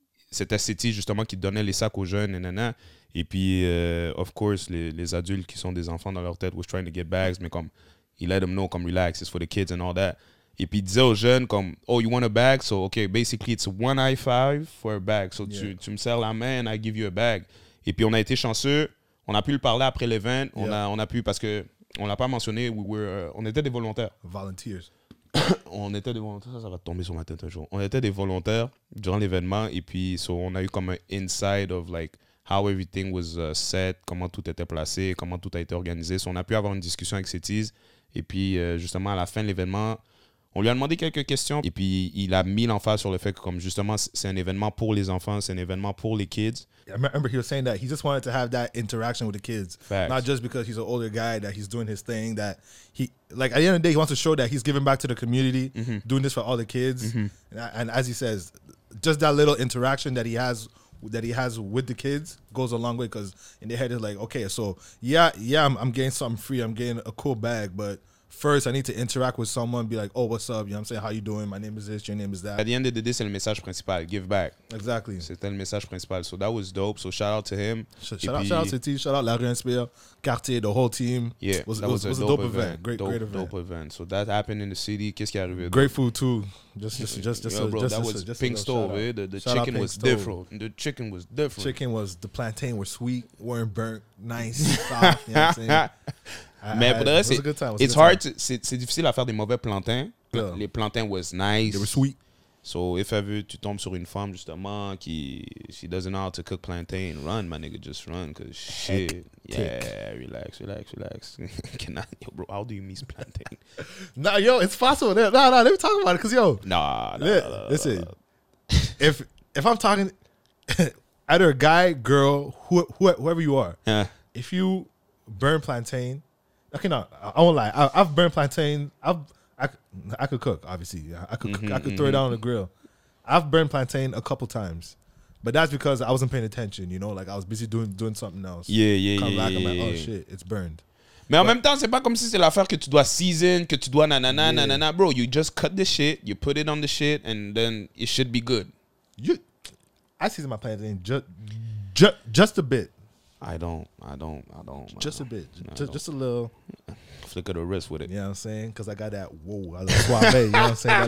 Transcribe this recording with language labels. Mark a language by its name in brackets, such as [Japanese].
[French] C'était City, justement, qui donnait les sacs aux jeunes, nanana. Et puis, [English] of course, [French] les adultes qui sont des enfants dans leur tête [English] was trying to get bags, [French] mais comme... [English] He let them know, come relax, it's for the kids and all that. [French] Et puis, il disait aux jeunes, comme, [English] oh, you want a bag? So, okay, basically, it's one high five for a bag. So, yeah. [French] Tu me sers la main [English] and I give you a bag. [French] Et puis, on a été chanceux. On a pu le parler après l'event. Yeah. On a pu, parce qu'on ne l'a pas mentionné, on était des volontaires. [English] Volunteers. [French] On était des volontaires. Ça va tomber sur ma tête un jour. On était des volontaires durant l'événement. Et puis, so, on a eu comme un [English] inside of, like, how everything was set, [French] comment tout était placé, comment tout a été organisé. So, on a pu avoir une discussion avec Cities. Et puis, justement, à la fin de l'événement, on lui a demandé quelques questions. Et puis, il a mis l'emphase sur le fait que, comme justement, c'est un événement pour les enfants, c'est un événement pour les kids. [English] I remember he was saying that he just wanted to have that interaction with the kids. Facts. Not just because he's an older guy, that he's doing his thing, that he, like, at the end of the day, he wants to show that he's giving back to the community, mm-hmm. doing this for all the kids. Mm-hmm. And as he says, just that little interaction that he has with the kids goes a long way, because in their head it's like, okay, so yeah, I'm getting something free, I'm getting a cool bag, but first I need to interact with someone, be like, oh, what's up, you know what I'm saying, how you doing, my name is this, your name is that. At the end of the day, [French] c'est le message principal, [English] give back. Exactly. [French] C'était le message principal, [English] so that was dope, so shout out to him. Shout out to T, shout out La Rue Inspire, Cartier, the whole team. Yeah, it was a dope event. So that happened in the city, qu'est-ce qui est arrivé? Great food too. Just, bro, that was just Pink Stove. The chicken was different. Chicken was, the plantain were sweet, weren't burnt, nice, soft, you know what I'm saying? [French] Mais c'est difficile à faire des mauvais plantains. [English] Yeah. Les plantains was nice. They were sweet. So, if ever [French] tu tombes sur une femme, justement, qui, [English] she doesn't know how to cook plantain, run, my nigga, just run, because shit. Tick. Yeah, relax. Bro, how do you miss plantain? Nah, it's possible. Nah, let me talk about it, because, yo. Listen, if I'm talking, either a guy, girl, whoever you are, yeah. If you burn plantain, okay, no, I won't lie. I've burned plantain. I could cook, obviously. I could throw it on the grill. I've burned plantain a couple times, but that's because I wasn't paying attention. You know, like I was busy doing something else. Yeah, come back. Oh shit, it's burned. [French] Mais en même temps, c'est pas comme si c'est l'affaire que tu dois season, que tu dois nanana. [English] Bro, you just cut the shit, you put it on the shit, and then it should be good. I season my plantain just a bit. I don't, just a little. Flick of the wrist with it. You know what I'm saying? Because I got that, whoa, I little suave, you know what I'm saying?